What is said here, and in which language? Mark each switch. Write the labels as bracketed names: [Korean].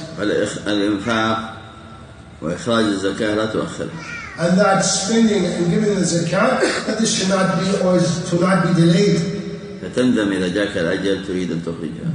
[Arabic] والإنفاق وإخراج الزكاة لا تؤخر. [English] And that spending and giving the zakat, that this should not be or should not be delayed. [Arabic] فتندم إذا جاك الأجل تريد أن تخرجها.